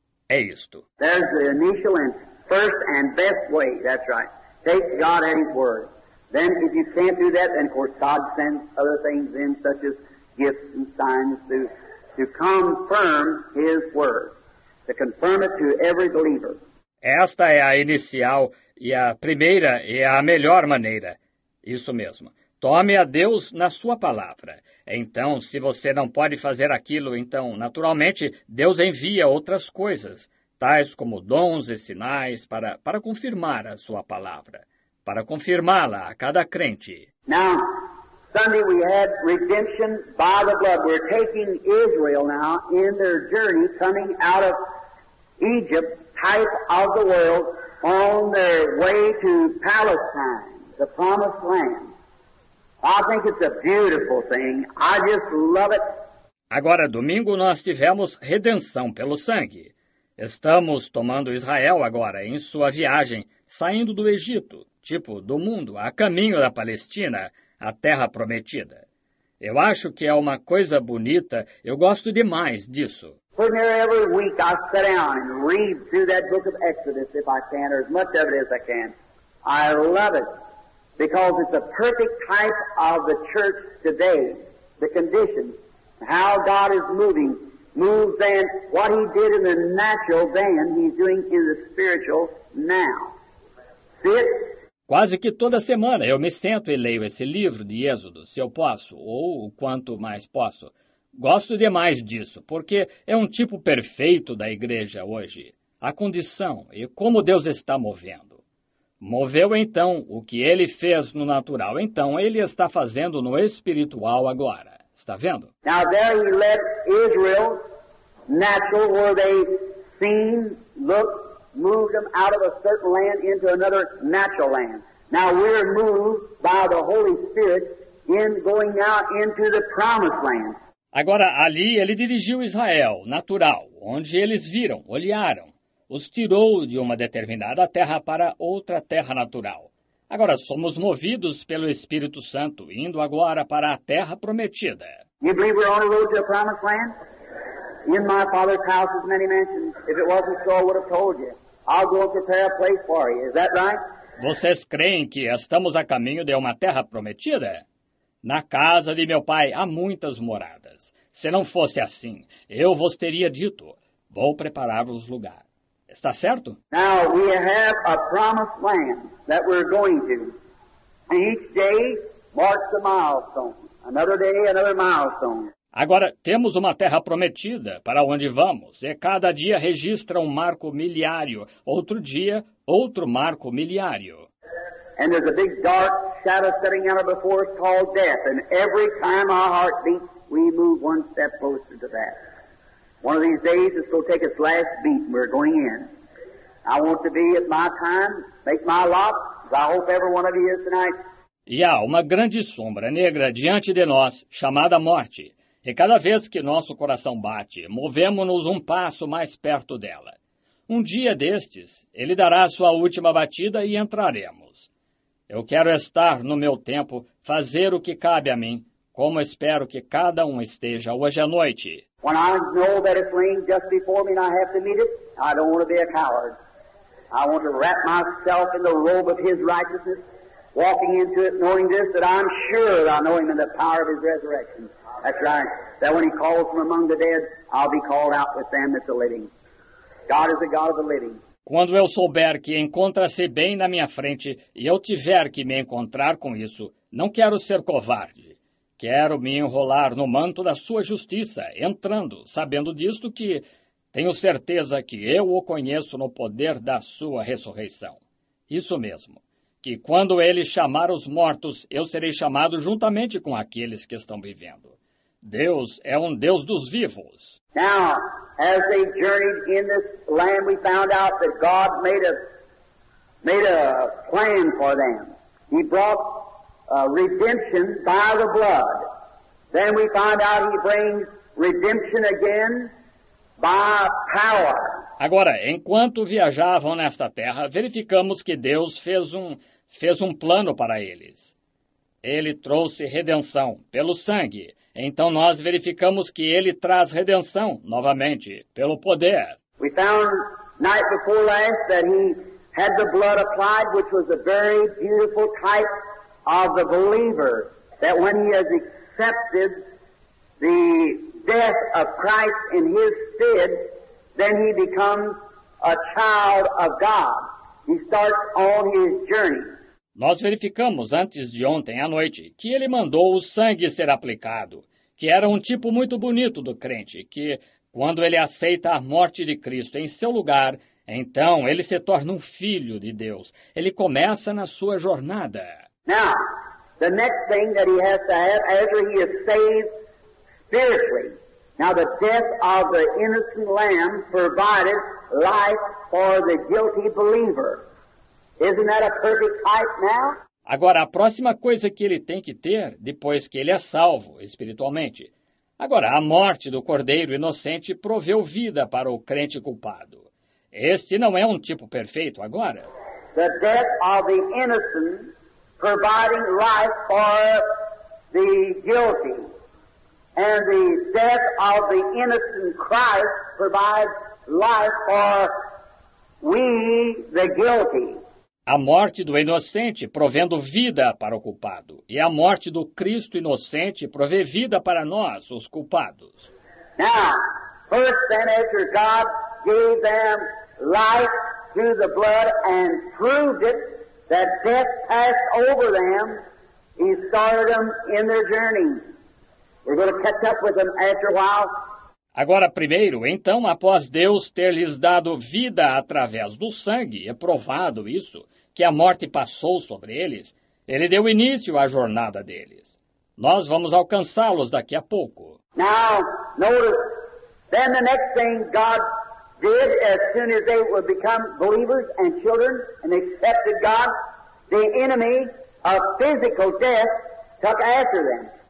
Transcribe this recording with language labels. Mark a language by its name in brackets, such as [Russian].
[Portuguese] É isto. [English] There's the initial and first and best way, that's right. Take God at his word. Then if you can't do that, then of course God sends other things in, such as gifts and signs to confirm his word. To confirm it to every believer. [Portuguese] Esta é a inicial e a primeira e a melhor maneira. Isso mesmo. Tome a Deus na sua palavra. Então, se você não pode fazer aquilo, então, naturalmente, Deus envia outras coisas, tais como dons e sinais para confirmar a sua palavra, para confirmá-la a cada crente. [English] Now, Sunday we had redemption by the blood. We're taking Israel now in their journey coming out of Egypt, type of the world, on their way to Palestine, the promised land. I think it's a beautiful thing. I just love it. [Portuguese] Agora, domingo, nós tivemos redenção pelo sangue. Estamos tomando Israel agora em sua viagem, saindo do Egito, tipo do mundo, a caminho da Palestina, a terra prometida. Eu acho que é uma coisa bonita. Eu gosto demais disso. [English] Pretty near every week I sit down and read through that book of Exodus, if I can, or as much of it as I can. I love it. Because it's a perfect type of the church today, the conditions, how God is moving, moves then, what he did in the natural then, he's doing in the spiritual now. See it? [Portuguese] Quase que toda semana eu me sento e leio esse livro de Êxodo, se eu posso, ou o quanto mais posso. Gosto demais disso, porque é um tipo perfeito da igreja hoje, a condição e como Deus está movendo. Moveu, então, o que ele fez no natural. Então, ele está fazendo no espiritual agora. Está vendo? [English] Now, there he led Israel, natural, where they seen, looked, moved them out of a certain land into another natural land. Now, we're moved by the Holy Spirit in going now into the promised land. [Portuguese] Agora, ali, ele dirigiu Israel, natural, onde eles viram, olharam. Os tirou de uma determinada terra para outra terra natural. Agora somos movidos pelo Espírito Santo, indo agora para a terra prometida. [English] You believe we're on the road to a promised land? In my Father's house is many mansions. If it wasn't so, I would have told you. I'll go and prepare a place for you. Is that right? [Portuguese] Vocês creem que estamos a caminho de uma terra prometida? Na casa de meu pai há muitas moradas. Se não fosse assim, eu vos teria dito, vou preparar os lugares. Está certo? [English] Now we have a promised land that we're going to. Each day marks a milestone. Another day, another milestone. [Portuguese] Agora temos uma terra prometida para onde vamos. E cada dia registra um marco miliário. Outro dia, outro marco miliário. [English] And there's a big dark shadow setting out before us called death. And every time our heart beats, we move one step closer to that. One of these days, it's going to take its last beat, and we're going in. I want to be at my time, make my lot, as I hope every one of you is tonight. [Portuguese] E há uma grande sombra negra diante de nós, chamada morte. E cada vez que nosso coração bate, movemos-nos um passo mais perto dela. Um dia destes, ele dará sua última batida e entraremos. Eu quero estar no meu tempo, fazer o que cabe a mim. Como espero que cada um esteja hoje à noite. [English] When I know that it's laying just before me and I have to meet it, I don't want to be a coward. I want to wrap myself in the robe of his righteousness, walking into it knowing this, that I'm sure that I know him in the power of his resurrection. That's right. That when he calls from among the dead, I'll be called out with them that's the living. God is the God of the living. [Portuguese] Quando eu souber que encontra-se bem na minha frente e eu tiver que me encontrar com isso, não quero ser covarde. Quero me enrolar no manto da sua justiça, entrando, sabendo disto que tenho certeza que eu o conheço no poder da sua ressurreição. Isso mesmo, que quando ele chamar os mortos, eu serei chamado juntamente com aqueles que estão vivendo. Deus é um Deus dos vivos. [English] Now, as they journeyed in this land, we found out that God made a plan for them. He brought redemption by the blood. Then we find out he brings redemption again by power. [Portuguese] Agora, enquanto viajavam nesta terra, verificamos que Deus fez um plano para eles. Ele trouxe redenção pelo sangue. Então nós verificamos que ele traz redenção novamente pelo poder. [English] We found night before last that he had the blood applied, which was a very beautiful type of the believer, that when he has accepted the death of Christ in his stead, then he becomes a child of God. He starts on his journey. [Portuguese] Nós verificamos antes de ontem à noite que ele mandou o sangue ser aplicado, que era um tipo muito bonito do crente, que quando ele aceita a morte de Cristo em seu lugar, então ele se torna um filho de Deus. Ele começa na sua jornada. [English] Now, the next thing that he has to have after he is saved spiritually. Now, the death of the innocent lamb provided life for the guilty believer. Isn't that a perfect type now? [Portuguese] Agora, a próxima coisa que ele tem que ter, depois que ele é salvo espiritualmente. Agora, a morte do cordeiro inocente proveu vida para o crente culpado. Este não é um tipo perfeito agora. [English] The death of the innocent providing life for the guilty. And the death of the innocent Christ provides life for we, the guilty. [Portuguese] A morte do inocente provendo vida para o culpado. E a morte do Cristo inocente provê vida para nós, os culpados. [English] Now, first then after God gave them life through the blood and proved it, that death passed over them, he started them in their journey. We're going to catch up with them after a while. [Portuguese] Agora, primeiro, então, após Deus ter-lhes dado vida através do sangue, e provado isso, que a morte passou sobre eles, ele deu início à jornada deles. Nós vamos alcançá-los daqui a pouco. [English] Now, notice, then the next thing God did, as soon as they would become believers and children and accepted God, the enemy of physical death took after them.